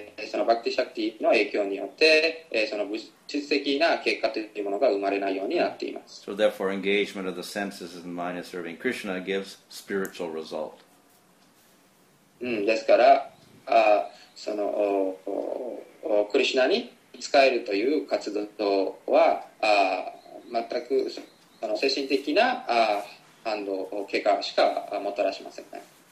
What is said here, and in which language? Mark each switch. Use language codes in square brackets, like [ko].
[ja] そのバクティシャクティの影響によって、その物質的な結果というものが生まれないようになっています。 [en] So therefore, engagement of the senses and mind in serving Krishna gives spiritual result. [ja] ですから、そのクリシナに仕えるという活動は、全くその精神的な反動結果しかもたらしませんね。